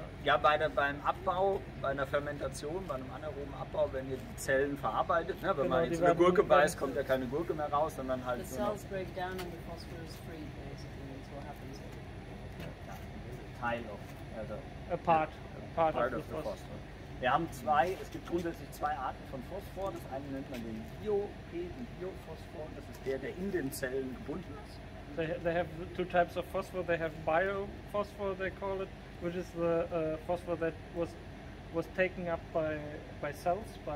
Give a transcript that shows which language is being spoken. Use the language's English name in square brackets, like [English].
[German] Ja, beim Abbau, bei einer Fermentation, bei einem anaeroben Abbau werden hier die Zellen verarbeitet. Ne? Wenn man jetzt eine Gurke beißt, kommt ja keine Gurke mehr raus, sondern halt. [English] The cells break down and the phosphor is free, basically. That's what happens. Teil of. A part of the phosphor. [German] Wir haben zwei, es gibt grundsätzlich zwei Arten von Phosphor. Das eine nennt man den Biophosphor. Das ist der in den Zellen gebunden ist. [English] They have two types of phosphor. They have biophosphor, they call it, which is the phosphor that was taken up by cells,